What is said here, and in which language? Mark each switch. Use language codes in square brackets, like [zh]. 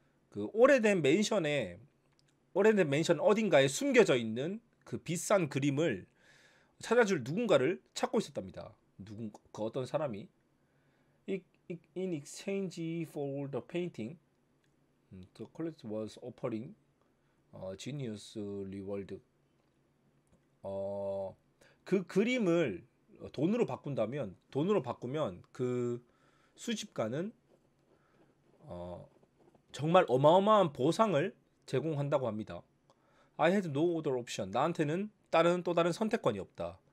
[ko] 그 오래된 맨션 어딘가에 숨겨져 있는 그 비싼 그림을 찾아줄 누군가를 찾고 있었답니다. 어떤 사람이. [en] In exchange for the painting, the collector was offering a generous reward. [ko] 그 그림을 돈으로 바꾸면 그 수집가는 정말 어마어마한 보상을 제공한다고 합니다. [en] I had no other option. [ko] 나한테는 또 다른 선택권이 없다.